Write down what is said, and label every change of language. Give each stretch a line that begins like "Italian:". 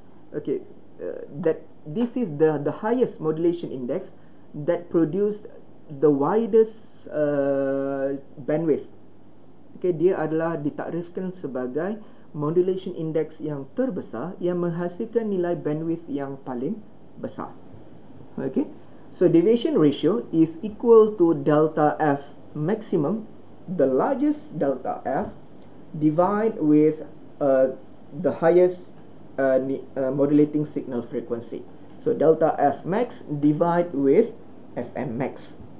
English: Okay, that this is the highest modulation index that produced the widest bandwidth.
Malay: Okay, dia adalah ditakrifkan sebagai modulation index yang terbesar yang menghasilkan nilai bandwidth yang paling besar.
English: Okay, so deviation ratio is equal to delta F maximum, the largest delta F, divide with the highest modulating signal frequency. So delta F max divide with FM max.